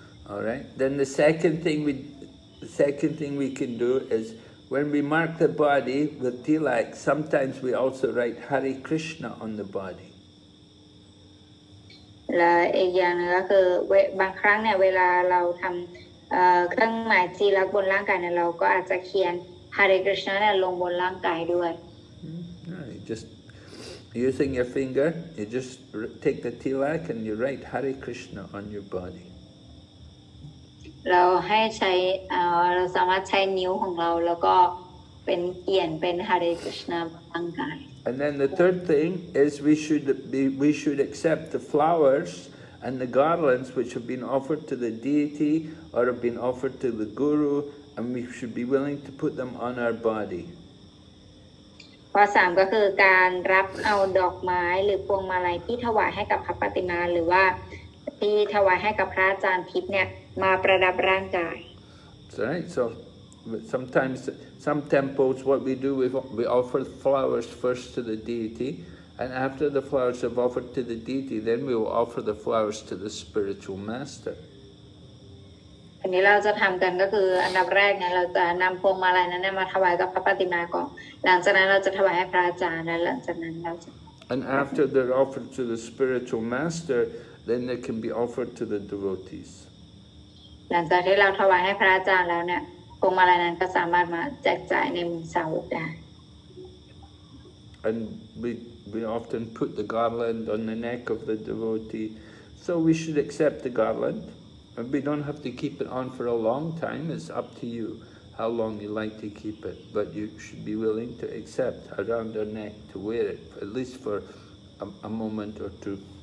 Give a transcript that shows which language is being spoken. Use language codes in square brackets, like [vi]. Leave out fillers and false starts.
[en] All right. Then the second thing we can do is. When we mark the body with tilak, sometimes we also write Hare Krishna on the body. [th] และอีกอย่างนึงก็คือบางครั้งเนี่ยเวลาเราทำเครื่องหมายตีลักษณ์บนร่างกายเนี่ยเราก็อาจจะเขียน Hare Krishna เนี่ยลงบนร่างกายด้วย [en] Just using your finger, you just take the tilak and you write Hare Krishna on your body. [th] เราให้ใช้เราสามารถใช้นิ้วของเราแล้วก็เป็นเขียนเป็น Hare Krishna ร่างกาย [en] And then the third thing is we should accept the flowers and the garlands which have been offered to the deity or have been offered to the guru and we should be willing to put them on our body [th] ข้อ3ก็คือการรับเอาดอกไม้หรือพวงมาลัยที่ถวายให้กับพระปฏิมาหรือว่าที่ถวายให้กับพระอาจารย์ทิพย์เนี่ยมาประดับร่างกาย [en] right. So sometimes some temples what we do we offer flowers first to the deity and after the flowers have offered to the deity then we will offer the flowers to the spiritual master [th] อันนี้เราจะทำกันก็คืออันดับแรกเนี่ยเราจะนำพวงมาลัยนั้นมาถวายกับพระปฏิมาก่อนหลังจากนั้นเราจะถวายให้พระอาจารย์และหลังจากนั้นเราจะ [en] and after they're offered to the spiritual master then they can be offered to the devotees [th] หลังจากที่เราถวายให้พระอาจารย์แล้วเนี่ยพวงมาลัยนั้นก็สามารถมาแจกจ่ายในสาวกได้ [en] and we often put the garland on the neck of the devotee so we should accept the garland and we don't have to keep it on for a long time it's up to you how long you like to keep it but you should be willing to accept around your neck to wear it at least for a moment or two